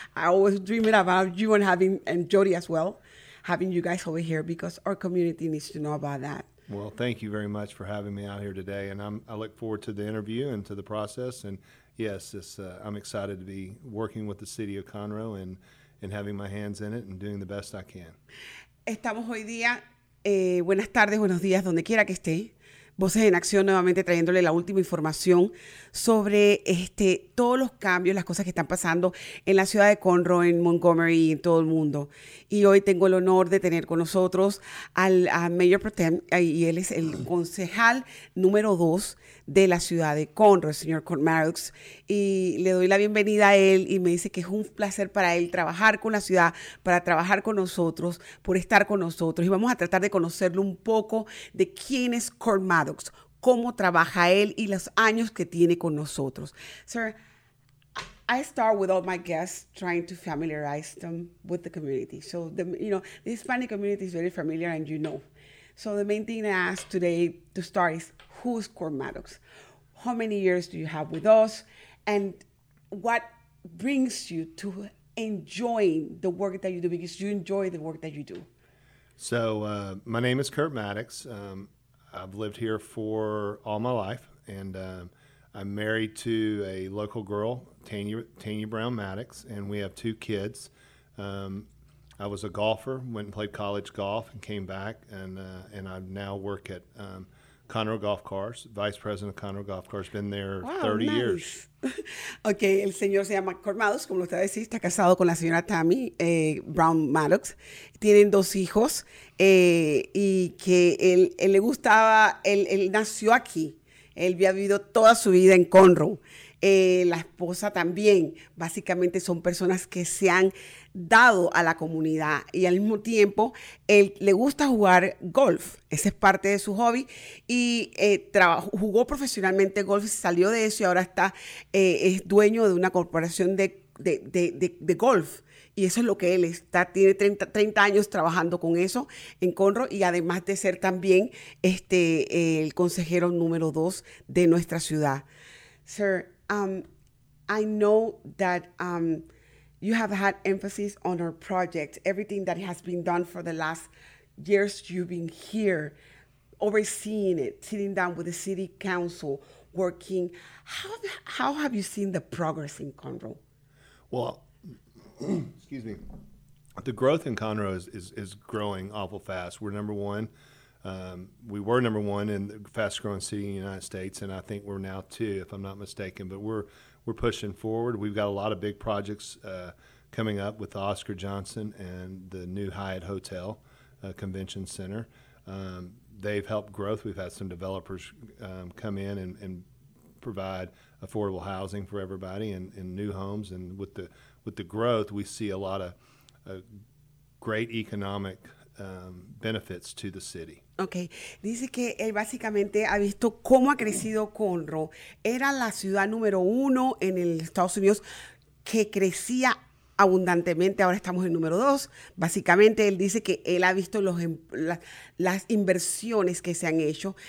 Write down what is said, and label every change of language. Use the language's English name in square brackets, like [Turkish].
[English] I always dream about you and having, and Jody as well, having you guys over here, because our community needs to know about that. Well, thank you very much for having me out here today. And I look forward to the interview and to the process. And yes, I'm excited to be working with the city of Conroe and having my hands in it and doing the best I can. [Spanish] Estamos hoy día, buenas tardes, buenos días, donde quiera que esté. Voces en Acción nuevamente trayéndole la última información sobre todos los cambios, las cosas que están pasando en la ciudad de Conroe, en Montgomery y en todo el mundo. Y hoy tengo el honor de tener con nosotros al Mayor Pro Tem, y él es el concejal número 2 de la ciudad de Conroe, el señor Curt Maddux. Y le doy la bienvenida a él y me dice que es un placer para él trabajar con la ciudad, para trabajar con nosotros, por estar con nosotros. Y vamos a tratar de conocerlo un poco de quién es Curt Maddux, cómo trabaja él y los años que tiene con nosotros. [English] Sir, I start with all my guests trying to familiarize them with the community. So, the Hispanic community is very familiar and you know. So the main thing I ask today to start is, who's Curt Maddux? How many years do you have with us? And what brings you to enjoying the work that you do? Because you enjoy the work that you do. So my name is Curt Maddux. I've lived here for all my life. And I'm married to a local girl, Tanya Brown Maddux. And we have two kids. I was a golfer, went and played college golf and came back. And I now work at Conroe Golf Course, Vice President of Conroe Golf Course, been there 30 years. [Spanish] Okay, el señor se llama Curt Maddux, como usted decía, está casado con la señora Tammy Brown Maddux. Tienen dos hijos y que él le gustaba, él nació aquí. Él había vivido toda su vida en Conroe. La esposa también, básicamente son personas que se han dado a la comunidad y al mismo tiempo él le gusta jugar golf, ese es parte de su hobby y jugó profesionalmente golf, salió de eso y ahora está, es dueño de una corporación de golf y eso es lo que él está, tiene 30 años trabajando con eso en Conroe y además de ser también el consejero número 2 de nuestra ciudad. [English] Sir, I know that you have had emphasis on our project, everything that has been done for the last years you've been here, overseeing it, sitting down with the city council, working. How have you seen the progress in Conroe? Well, excuse me. The growth in Conroe is growing awful fast. We're number one. We were number one in the fast growing city in the United States, and I think we're now two, if I'm not mistaken. But we're pushing forward. We've got a lot of big projects coming up with Oscar Johnson and the new Hyatt Hotel Convention Center. They've helped growth. We've had some developers come in and provide affordable housing for everybody and new homes. And with the growth, we see a lot of great economic benefits to the city. Okay. [Spanish] Dice que él básicamente ha visto cómo ha crecido Conroe. Era la ciudad número uno en el Estados Unidos que crecía abundantemente. Ahora estamos en número dos. Básicamente, él dice que él ha visto las inversiones que se han hecho.